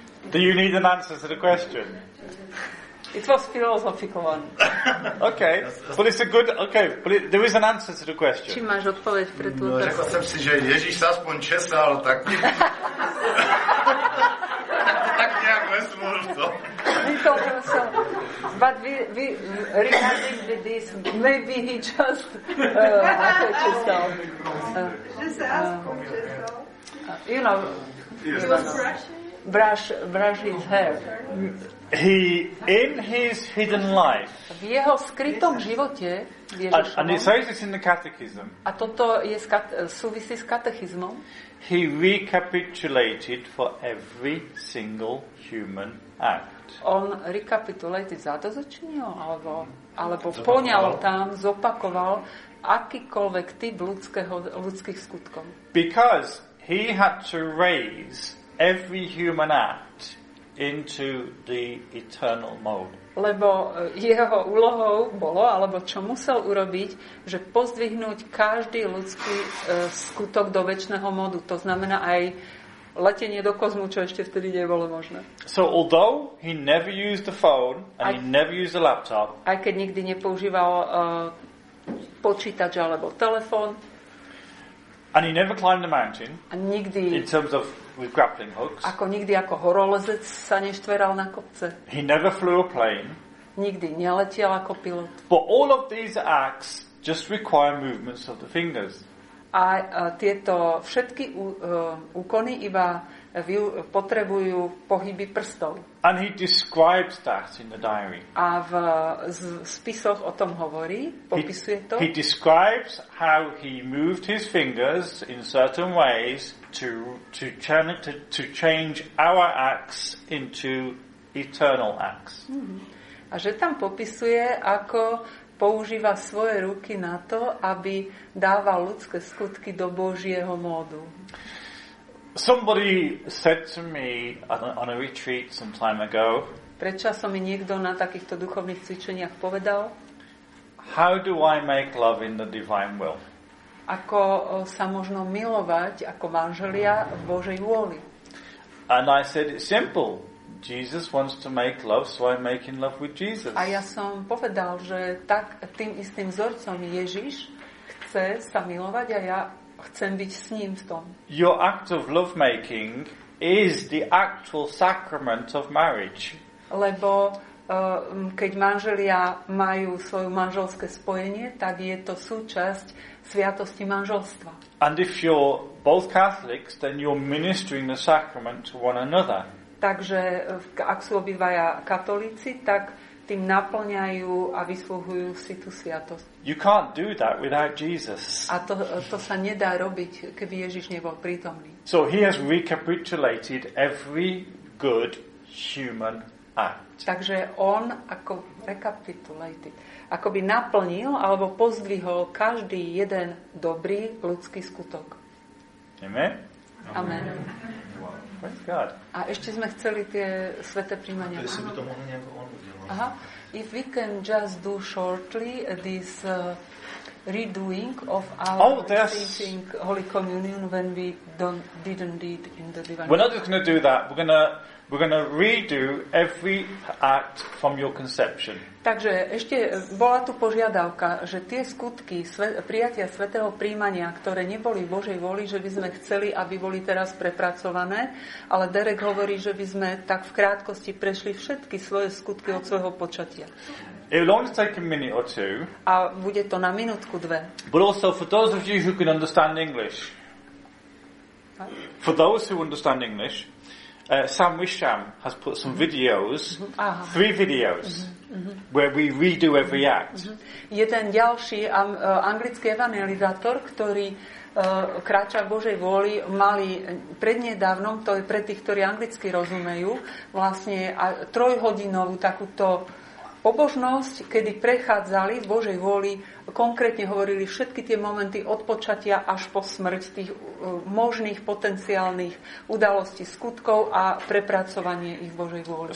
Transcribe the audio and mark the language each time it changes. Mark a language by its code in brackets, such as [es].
[en] Do you need an answer to the question? It was philosophical one. Okay, but it's a good... Okay, but there is an answer to the question. [sk] Čím máš odpoveď pre tú otázku? No, [cs] řekl jsem si, [sk] že Ježíš sa aspoň česal, tak... tak nejak nesmôžu to. Vytvoril som. [en] But we regarding this, maybe he just attached himself. Just ask him, just you know. He was brushing. Brush his hair. He in his hidden life. [sk] V jeho skrytom živote. [en] And it says this in the catechism. [sk] A toto je súvisí s katechizmom. [en] He recapitulated for every single human act. [sk] On recapitulated za to začinil, alebo poňal tam, zopakoval akýkoľvek typ ľudských skutkov. [en] Because he had to raise every human act into the eternal mode. [sk] Lebo jeho úlohou bolo, alebo čo musel urobiť, že pozdvihnúť každý ľudský skutok do večného modu. To znamená aj letenie do kozmu, čo ešte vtedy nebolo možné. [en] So although he never used the phone and he never used the laptop. [sk] Aj keď nikdy nepoužíval počítač alebo telefón. [en] And he never climbed the mountain. [sk] A nikdy [en] in terms of with grappling hooks. [sk] Ako nikdy ako horolezec sa neštveral na kopce. [en] He never flew a plane. [sk] Nikdy neletiel ako pilot. [en] But all of these acts just require movements of the fingers. [sk] A tieto všetky úkony iba potrebujú pohyby prstov. [en] And he describes that in the diary. [sk] A v spisoch o tom hovorí, popisuje to. [en] He describes how he moved his fingers in certain ways to change our acts into eternal acts. Mm-hmm. [sk] A že tam popisuje, ako používa svoje ruky na to, aby dával ľudské skutky do Božieho módu. [en] Somebody said to me on a retreat some time ago. [sk] Prečo mi niekto na takýchto duchovných cvičeniach povedal? [en] How do I make love in the divine will? [sk] Ako sa možno milovať ako manželia v Božej vôli? [en] And I said it's simple. Jesus wants to make love, so I'm making love with Jesus. [sk] A ja som povedal, že tak tým istým vzorcom Ježiš chce sa milovať a ja chcem byť s ním v tom. [en] Your act of lovemaking is the actual sacrament of marriage. [sk] Lebo keď manželia majú svoje manželské spojenie, tak je to súčasť sviatosti manželstva. [en] And if you're both Catholics, then you're ministering the sacrament to one another. [sk] Takže ak sú obidvaja katolíci, tak tým naplňajú a vyslúhujú si tú sviatosť. [en] You can't do that without Jesus. [sk] A to sa nedá robiť, keby Ježiš nebol prítomný. [en] So he has recapitulated every good human act. [sk] Takže on ako recapitulated, akoby naplnil alebo pozdvihol každý jeden dobrý ľudský skutok. [en] Amen. Amen. Praise God. [sk] A ešte sme chceli tie sväté príjmania. Ale si by to mohli nejak on udelal. [en] If we can just do shortly this redoing of our receiving Holy Communion when we didn't read in the Divine. We're not just going to do that. We're going to redo every act from your conception. [sk] Takže ešte bola tu požiadavka, že tie skutky prijatia svätého príjmania, ktoré neboli Božej vôli, že by sme chceli, aby boli teraz prepracované, ale Derek hovorí, že by sme tak v krátkosti prešli všetky svoje skutky od svojho počatia. [en] It will only take a minute or two. [sk] A bude to na minútku dve. [en] But also for those of you who can understand English. For those who understand English. Sam Wisham has put some videos, three videos, where we redo every act. [sk] Jeden ďalší anglický evangelizátor, ktorý kráča Božej vôli, mali prednedávnom, to je pre tých, ktorí anglicky rozumejú, vlastne trojhodinovú takúto pobožnosť, kedy prechádzali v Božej vôli, konkrétne hovorili všetky tie momenty od počatia až po smrť tých možných potenciálnych udalostí skutkov a prepracovanie ich v Božej vôli.